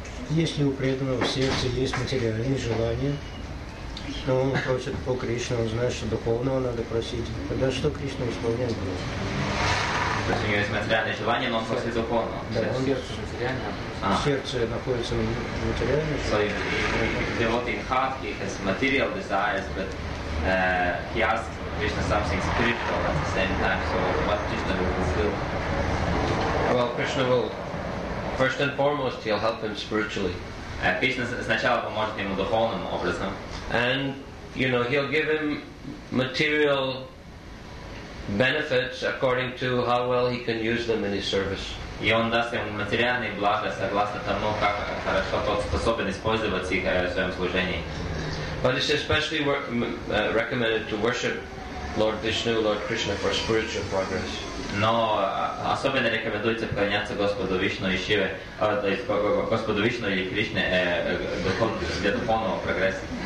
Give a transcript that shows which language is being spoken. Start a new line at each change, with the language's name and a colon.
Russian: Если у преданного в сердце есть материальные желания, но он просит по Кришне, он знает, что духовного надо просить, тогда что Кришна исполняет? То есть у него есть материальные желания, но он просит духовного. Да, он держит материальное. Сердце находится в материальном состоянии.
English: So, in heart, he has material desires, but he asks Krishna something spiritual at the same time. So, what Krishna will fulfill? Well, Krishna will, first and foremost, he'll help him spiritually.
Russian: Krishna сначала поможет ему духовным образом.
English: And, you know, he'll give him material benefits according to how well he can use them in his service.
Russian: И он даст ему материальные блага согласно тому, как хорошо тот способен использовать их в своем служении.
English: But it's especially recommended to worship Lord Vishnu, Lord Krishna for spiritual progress.
Russian: Но особенно рекомендуется поклоняться Господу Вишну и Шиве, то есть Господу Вишну или Кришне для духовного прогресса.